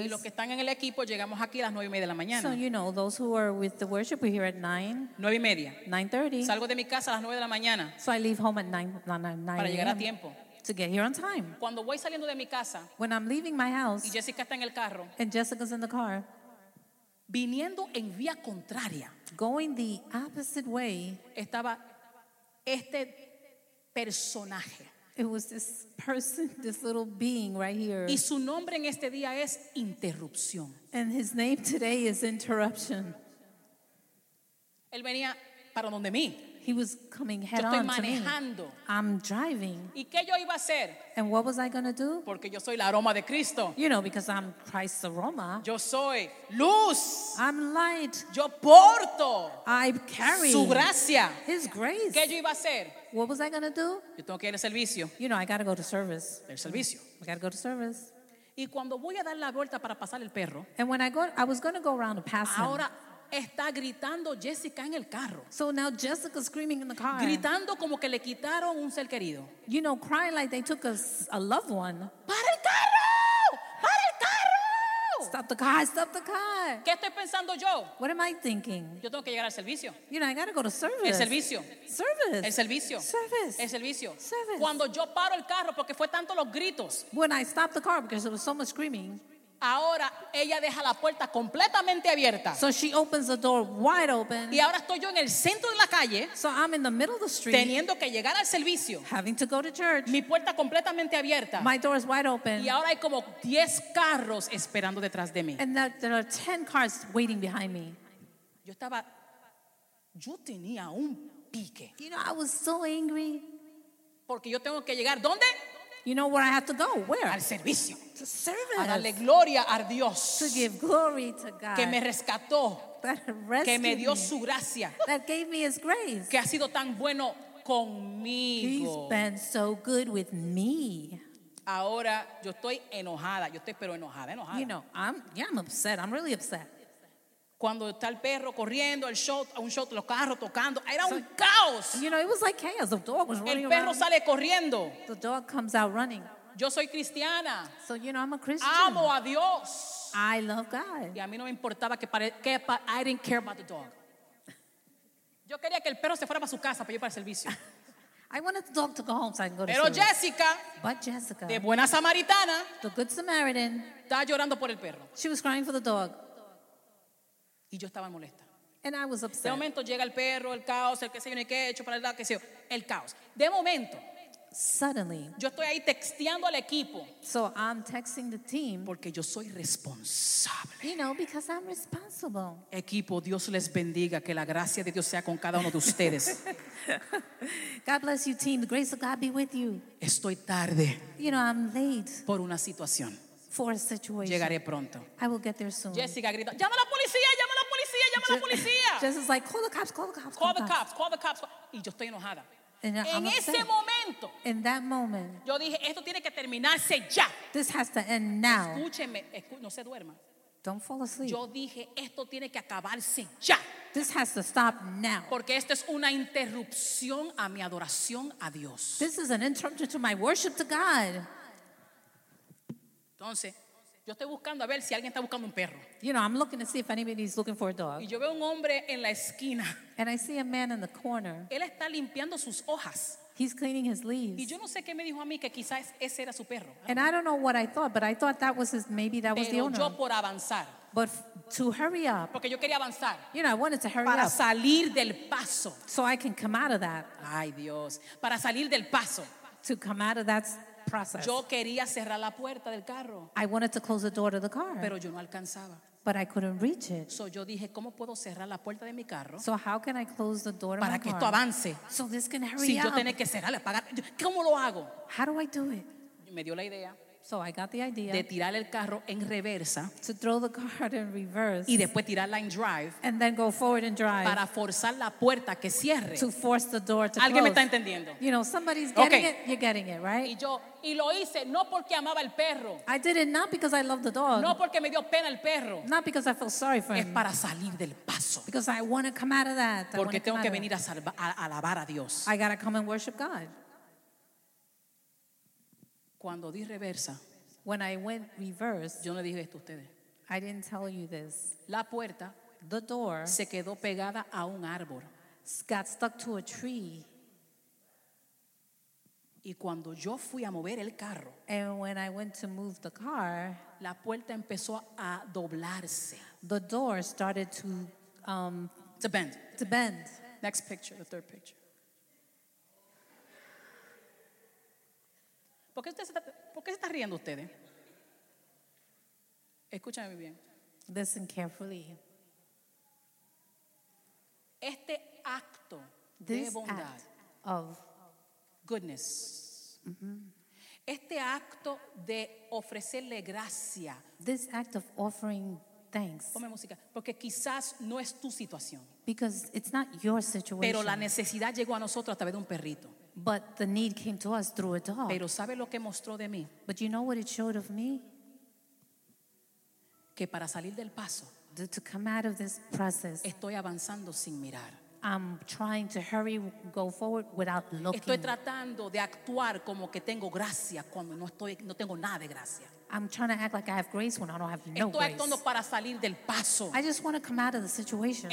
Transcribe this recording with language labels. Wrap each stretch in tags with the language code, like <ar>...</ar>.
<es>Y los que están en el equipo llegamos aquí a las 9:30 de la mañana.</es> <en>So, you know, those who are with the worship, we're here at 9. 9:30. 9:30.</en> <es>Salgo de mi casa a las 9 de la mañana.</es> <en>So, I leave home at 9</en> <es>para llegar a tiempo.</es> <en>To get here on time.</en> <es>Cuando voy saliendo de mi casa.</es> <en>When I'm leaving my house.</en> <es>Y Jessica está en el carro.</es> <en>And Jessica's in the car.</en> <es>viniendo en vía contraria,</es> <en>going the opposite way,</en> <es>estaba este personaje.</es> <en>It was this person, this little being right here.</en> <es>Y su nombre en este día es interrupción.</es> <en>And his name today is interruption.</en> <es>Él venía para donde mí.</es> <en>He was coming head on to me. I'm driving.</en> <es>¿Y qué yo iba a hacer?</es> <en>And what was I going to do?</en> <es>Porque yo soy la aroma de Cristo.</es> <en>You know, because I'm Christ's aroma.</en> <es>Yo soy luz.</es> <en>I'm light.</en> <es>Yo porto.</es> <en>I carry</en> <es>su gracia.</es> <en>His grace.</en> <es>¿Qué yo iba a hacer?</es> <en>What was I going to do?</en> <es>Yo tengo que ir al servicio.</es> <en>You know, I got to go to service.</en> <es>El servicio.</es> <en>I got to go to service.</en> <es>Y cuando voy a dar la vuelta para pasar el perro.</es> <en>And when I was going to go around to pass</en> <es>ahora,</es> <en>him.</en> <es>Está gritando Jessica en el carro.</es> <en>So now Jessica's screaming in the car.</en> <es>Gritando como que le quitaron un ser querido.</es> <en>You know, crying like they took a loved one.</en> <es>¡Para el carro! ¡Para el carro!</es> <en>Stop the car, stop the car.</en> <es>¿Qué estoy pensando yo?</es> <en>What am I thinking?</en> <es>Yo tengo que llegar al servicio.</es> <en>You know, I gotta go to service.</en> <es>El servicio.</es> <en>Service.</en> <es>El servicio.</es> <en>Service.</en> <es>El servicio.</es> <en>Service.</en> <es>Cuando yo paro el carro porque fue tanto los gritos.</es> <en>When I stopped the car because there was so much screaming.</en> <es>Ahora ella deja la puerta completamente abierta.</es> <en>So she opens the door wide open.</en> <es>Y ahora estoy yo en el centro de la calle.</es> <en>So I'm in the middle of the street.</en> <es>Teniendo que llegar al servicio.</es> <en>Having to go to church.</en> <es>Mi puerta completamente abierta.</es> <en>My door is wide open.</en> <es>Y ahora hay como 10 carros esperando detrás de mí.</es> <en>And there are 10 cars waiting behind me.</en> <es>Yo tenía un pique.</es> <en>You know, I was so angry.</en> <es>Porque yo tengo que llegar, ¿dónde?</es> <en>You know where I have to go? Where?</en> <es>Al servicio.</es> <en>To service.</en> <es>A darle gloria a Dios.</es> <en>To give glory to God.</en> <es>Que me rescató.</es> <en>That rescued</en> <es>que me dio</es> <en>me.</en> <es>Su gracia.</es> <en>That gave me his grace.</en> <es>Que ha sido tan bueno conmigo.</es> <en>He's been so good with me.</en> <es>Ahora yo estoy enojada. Yo estoy pero enojada, enojada.</es> <en>You know, I'm upset. I'm really upset.</en> <es>Cuando está el perro corriendo, el show, un show, los carros tocando, era un caos.</es> <en>You know, it was like chaos. The dog was running around.</en> <es>El perro</es> <en>around.</en> <es>Sale corriendo.</es> <en>The dog comes out running.</en> <es>Yo soy cristiana.</es> <en>So, you know, I'm a Christian.</en> <es>Amo a Dios.</es> <en>I love God.</en> <es>Y a mí no me importaba que para,</es> <en>I didn't care about the dog.</en> <es>Yo quería que el perro se fuera para su casa para ir para el servicio.</es> <en>I wanted the dog to go home so I can go</en> <es>pero</es> <en>to service.</en> <es>Jessica,</es> <en>but Jessica,</en> <es>de buena samaritana,</es> <en>the good Samaritan,</en> <es>está llorando por el perro.</es> <en>She was crying for the dog.</en> <es>Y yo estaba molesta.</es> <en>And I was upset.</en> <es>De momento llega el perro, el caos, el que se viene que he hecho para el lado, que se el caos. De momento.</es> <en>Suddenly.</en> <es>Yo estoy ahí texteando al equipo.</es> <en>So I'm texting the team.</en> <es>Porque yo soy responsable.</es> <en>You know, because I'm responsible.</en> <es>Equipo, Dios les bendiga, que la gracia de Dios sea con cada uno de ustedes.</es> <en>God bless you, team. The grace of God be with you.</en> <es>Estoy tarde.</es> <en>You know, I'm late.</en> <es>Por una situación.</es> <en>For a situation.</en> <es>Llegaré pronto.</es> <en>I will get there soon.</en> <es>Jessica grita, llama a la policía, llama a la policía, llama a la policía.</es> <en>Jessica's like, call the cops, call the cops, call the cops. Call the cops, call the cops.</en> <es>Y yo estoy enojada.</es> <en>And</en> <es>en</es> <en>I'm</en> <es>ese</es> <en>upset.</en> <es>Momento.</es> <en>In that moment.</en> <es>Yo dije, esto tiene que terminarse ya.</es> <en>This has to end now.</en> <es>Escúcheme, no se duerma.</es> <en>Don't fall asleep.</en> <es>Yo dije, esto tiene que acabarse ya.</es> <en>This has to stop now.</en> <es>Porque esto es una interrupción a mi adoración a Dios.</es> <en>This is an interruption to my worship to God.</en> <es>Entonces, yo estoy buscando a ver si alguien está buscando un perro.</es> <en>You know, I'm looking to see if anybody's looking for a dog.</en> <es>Y yo veo un hombre en la esquina.</es> <en>And I see a man in the corner.</en> <es>Él está limpiando sus hojas.</es> <en>He's cleaning his leaves.</en> <es>Y yo no sé qué me dijo a mí que quizás ese era su perro.</es> <en>And I don't know what I thought, but I thought that was his, maybe that</en> <es>pero</es> <en>was the owner.</en> <es>Pero yo por avanzar.</es> <en>But to hurry up.</en> <es>Porque yo quería avanzar.</es> <en>You know, I wanted to hurry</en> <es>para</es> <en>up.</en> <es>Para salir del paso.</es> <en>So I can come out of that.</en> <es>Ay, Dios. Para salir del paso.</es> <en>To come out of that. Process.</en> <es>Yo quería cerrar la puerta del carro.</es> <en>I wanted to close the door to the car.</en> <es>Pero yo no alcanzaba.</es> <en>But I couldn't reach it.</en> <es>So yo dije, ¿cómo puedo cerrar la puerta de mi carro?</es> <en>So how can I close the door</en> <es>para</es> <en>of my</en> <es>que</es> <en>car?</en> <es>Esto avance.</es> <en>So this can hurry</en> <es>si</es> <en>up.</en> <es>Yo tenía que cerrarle, apagar. ¿Cómo lo hago?</es> <en>How do I do it?</en> <es>Me dio la idea.</es> <en>So I got the idea.</en> <es>De tirar el carro en reversa.</es> <en>To throw the car in reverse.</en> <es>Y después tirarla en drive.</es> <en>And then go forward and drive.</en> <es>Para forzar la puerta que cierre.</es> <en>To force the door to close.</en> <es>¿Alguien me está entendiendo?</es> <en>You know, somebody's getting it. You're getting it, right?</en> <es>Y lo hice no porque amaba el perro.</es> <en>I did it not because I loved the dog.</en> <es>No porque me dio pena el perro.</es> <en>Not because I felt sorry for him.</en> <es>Es para salir del paso.</es> <en>Because I want to come out of that.</en> <es>Porque tengo que venir a salvar, a alabar a Dios.</es> <en>I gotta come and worship God.</en> <es>Cuando di reversa,</es> <en>when I went reverse,</en> <es>yo no dije esto a ustedes.</es> <en>I didn't tell you this.</en> <es>La puerta,</es> <en>the door,</en> <es>se quedó pegada a un árbol.</es> <en>Got stuck to a tree.</en> <es>Y cuando yo fui a mover el carro,</es> <en>and when I went to move the car,</en> <es>la puerta empezó a doblarse.</es> <en>The door started to bend. To bend. Next picture, the third picture.</en> <es>¿Por qué se está riendo ustedes? Escúchame bien.</es> <en>Listen carefully.</en> <es>Este acto</es> <en>this</en> <es>de bondad,</es> <en>act of goodness,</en> <es>este acto de ofrecerle gracia,</es> <en>this act of offering thanks,</en> <es>ponme música, porque quizás no es tu situación,</es> <en>because it's not your situation,</en> <es>pero la necesidad llegó a nosotros a través de un perrito.</es> <en>But the need came to us through a dog.</en> <es>Pero sabe lo que mostró de mí.</es> <en>But you know what it showed of me?</en> <es>Que para salir del paso,</es> <en>to come out of this process,</en> <es>estoy avanzando sin mirar.</es> <en>I'm trying to hurry, go forward without looking.</en> <es>Estoy tratando de actuar como que tengo gracia cuando no tengo nada de gracia.</es> <en>I'm trying to act like I have grace when I don't have no grace.</en> <es>Estoy actuando para salir del paso.</es> <en>I just want to come out of the situation.</en>